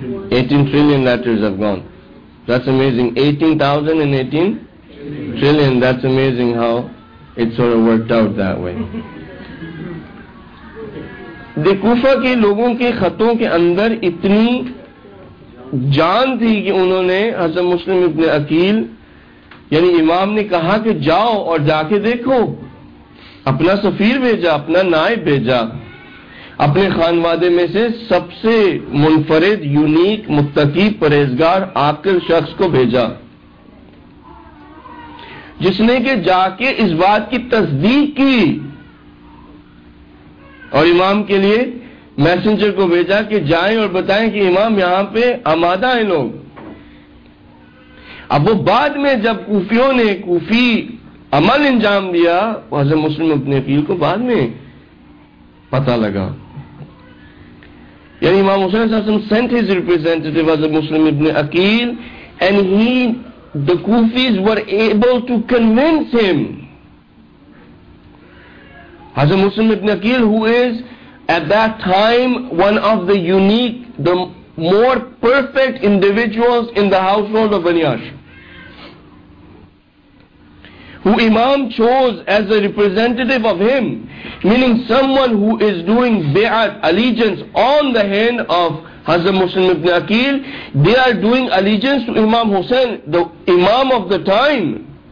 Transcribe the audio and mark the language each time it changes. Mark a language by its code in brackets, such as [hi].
[en] 18 trillion letters have gone. That's amazing. 18,000 and 18 trillion. That's amazing how it sort of worked out that way. [ur] Kufa کے لوگوں کے خطوں کے اندر اتنی جان تھی کہ انہوں نے حضرت مسلم ابن عقیل یعنی امام نے کہا کہ جاؤ اور جا کے دیکھو, اپنا سفیر بھیجا, اپنا نائب بھیجا, اپنے خانوادے میں سے سب سے منفرد یونیک متقی پرہیزگار عاقل شخص کو بھیجا جس نے کہ جا کے اس بات کی تصدیق کی اور امام کے لیے میسنجر کو بھیجا کہ جائیں اور بتائیں کہ امام یہاں پہ آمادہ ہیں لوگ. اب وہ بعد میں جب کوفیوں نے کوفی عمل انجام دیا, حضرت مسلم اپنے عقیل کو بعد میں پتہ لگا. [en] یعنی Imam Hussain صلی اللہ علیہ وسلم sent his representative Hazrat Muslim ibn Aqil and he the Kufis were able to convince him. Hazrat Muslim ibn Aqil, who is at that time one of the unique, the more perfect individuals in the household of Bani Hashim, who Imam chose as a representative of him, meaning someone who is doing bi'at, allegiance on the hand of Hazrat Muslim ibn Aqil, they are doing allegiance to Imam Hussein, the Imam of the time.